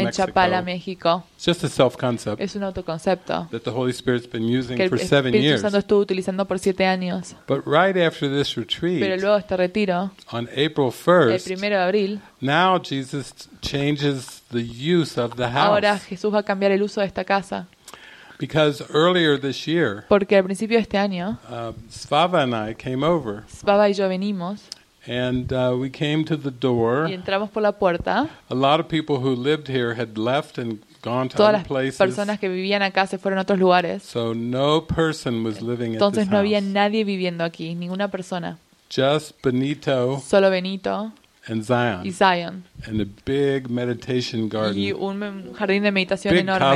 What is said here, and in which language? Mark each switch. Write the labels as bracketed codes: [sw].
[es] en Chapala, México. [en] It's just a self-concept [es] es un autoconcepto [en] that the Holy Spirit's been using for 7 years. [es] Que el Espíritu Santo utilizando por 7 años. [en] But right after this retreat, [es] pero luego este retiro, [en] on April 1st, [es] el 1 de abril, [en] now Jesus changes the use of the house. [es] Ahora Jesús va a cambiar el uso de esta casa. [en] Because earlier this year, [es] porque al principio de este año, [en] Svava and I came over. [es] Svava y yo venimos. [en] And we came to the door. [es] Y entramos por la puerta. [en] A lot of people who lived here had left and gone to [es] todas [en] other places. [es] Personas que vivían acá se fueron a otros lugares. [en] So no person was living [es] entonces [en] at this [es] no había [en] house. [es] Nadie viviendo aquí, ninguna persona. [en] Just Benito. [es] Solo Benito. [en] And Zion. [es] Y Zion. [en] And a big meditation garden. [es] Y un jardín de meditación [en] big [es] enorme.